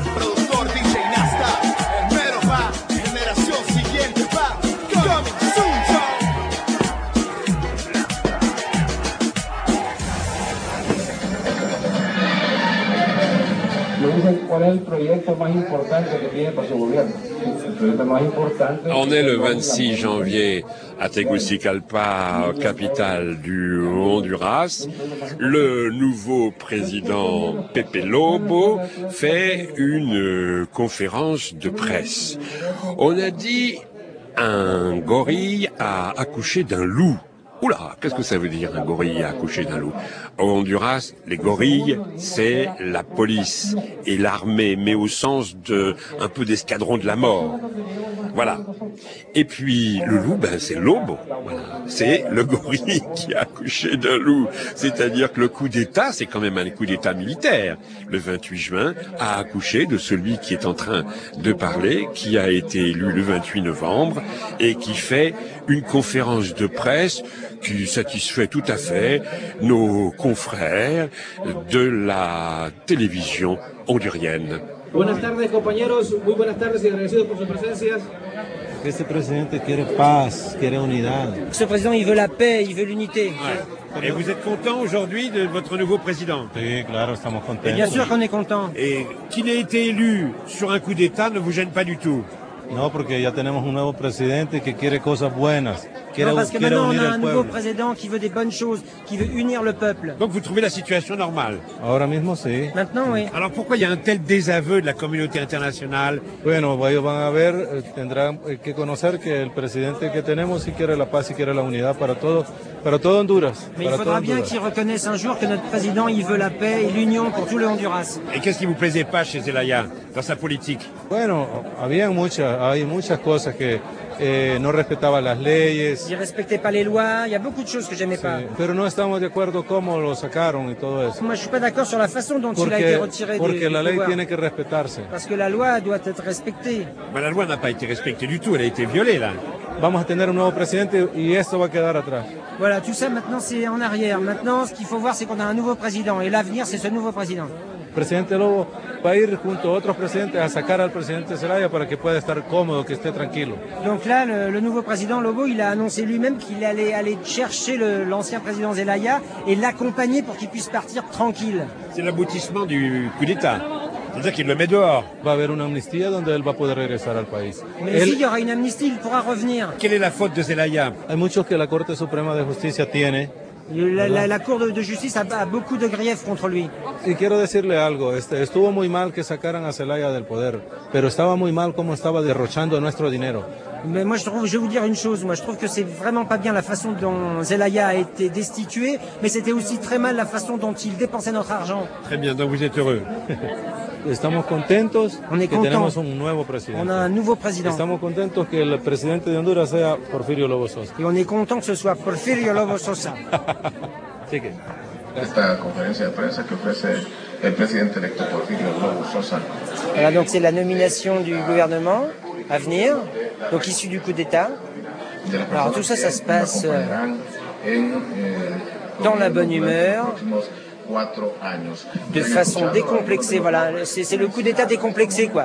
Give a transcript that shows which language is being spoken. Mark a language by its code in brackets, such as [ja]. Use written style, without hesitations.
[es] Productor DJ Nasta, el mero pa, generación siguiente pa, [en] coming soon, yo. [es] Me dicen cuál es el proyecto más importante que tiene para su gobierno. [fr] On est le 26 janvier à Tegucigalpa, capitale du Honduras. Le nouveau président Pepe Lobo fait une conférence de presse. On a dit un gorille a accouché d'un loup. Oula, qu'est-ce que ça veut dire un gorille a accouché d'un loup ? Au Honduras, les gorilles, c'est la police et l'armée, mais au sens de un peu d'escadron de la mort. Voilà. Et puis le loup, ben c'est Lobo. Voilà. C'est le gorille qui a accouché d'un loup. C'est-à-dire que le coup d'État, c'est quand même un coup d'État militaire. Le 28 juin a accouché de celui qui est en train de parler, qui a été élu le 28 novembre et qui fait une conférence de presse qui satisfait tout à fait nos confrères de la télévision hondurienne. [es] Buenas tardes, compañeros. Muy buenas tardes y agradecidos por su presencia. Este presidente quiere paz, quiere unidad. [fr] Ce président, il veut la paix, il veut l'unité. Ouais. Et vous êtes content aujourd'hui de votre nouveau président? [es] Oui, claro, estamos contentos. [fr] Et bien sûr qu'on est content. Et qu'il ait été élu sur un coup d'État ne vous gêne pas du tout? [es] No, porque ya tenemos un nuevo presidente que quiere cosas buenas. [fr] Quiere, non, parce que maintenant on a un nouveau président qui veut des bonnes choses, qui veut unir le peuple. Donc vous trouvez la situation normale? [es] Ahora mismo sí. [fr] Maintenant, oui. Alors pourquoi il y a un tel désaveu de la communauté internationale? [es] Bueno, ellos van a ver, tendrán que conocer que el presidente que tenemos sí quiere la paz y quiere la unidad para todo Honduras. [fr] Mais il faudra bien qu'ils reconnaissent un jour que notre président, il veut la paix et l'union pour tout le Honduras. Et qu'est-ce qui vous plaisait pas chez Zelaya dans sa politique? [es] Bueno, hay muchas cosas que no respetaba las leyes. [fr] Il respectait pas les lois, il y a beaucoup de choses que j'aimais, sí, pas. [es] Pero no estamos de acuerdo cómo lo sacaron y todo eso. [fr] Moi, je suis pas d'accord sur la façon dont porque, il a été retiré. [es] Porque la de ley [fr] pouvoir. [es] Tiene que respetarse. [fr] Parce que la loi doit être respectée. Mais la loi n'a pas été respectée du tout, elle a été violée là. [es] Vamos a tener un nuevo presidente y esto va a quedar atrás. [fr] Voilà, tout ça maintenant c'est en arrière. Maintenant, ce qu'il faut voir c'est qu'on a un nouveau président et l'avenir c'est ce nouveau président. [es] Presidente Lobo va a ir junto a otros presidentes a sacar al presidente Zelaya para que pueda estar cómodo, que esté tranquilo. [fr] Donc là, le nouveau président Lobo, il a annoncé lui-même qu'il allait aller chercher l'ancien président Zelaya et l'accompagner pour qu'il puisse partir tranquille. C'est l'aboutissement du coup d'État. C'est-à-dire qu'il le met dehors. [es] Va haber una amnistía donde él va poder regresar al país. [fr] Mais [es] él... [fr] si, il y aura une amnistie, il pourra revenir. Quelle est la faute de Zelaya? [es] Hay muchos que la Corte Suprema de Justicia tiene. [fr] La Cour de Justice a beaucoup de griefs contre lui. [es] Y quiero decirle algo, estuvo muy mal que sacaran a Zelaya del poder, pero estaba muy mal cómo estaba derrochando nuestro dinero. [fr] Mais moi je vais vous dire une chose, moi je trouve que c'est vraiment pas bien la façon dont Zelaya a été destitué, mais c'était aussi très mal la façon dont il dépensait notre argent. Très bien, donc vous êtes heureux. [es] Estamos contentos. [fr] On est contents. [es] Que tenemos un nuevo presidente. [fr] On a un nouveau président. [es] Estamos contentos que el presidente de Honduras sea Porfirio Lobo Sosa. [fr] Et on est content que ce soit Porfirio Lobo Sosa. [es] Así que... Esta conferencia de prensa que ofrece el presidente electo Porfirio Lobo Sosa. [fr] Alors donc c'est la nomination du gouvernement à venir, donc issu du coup d'État. Alors tout ça, ça se passe dans la bonne humeur. De façon décomplexée, voilà, c'est le coup d'État décomplexé, quoi.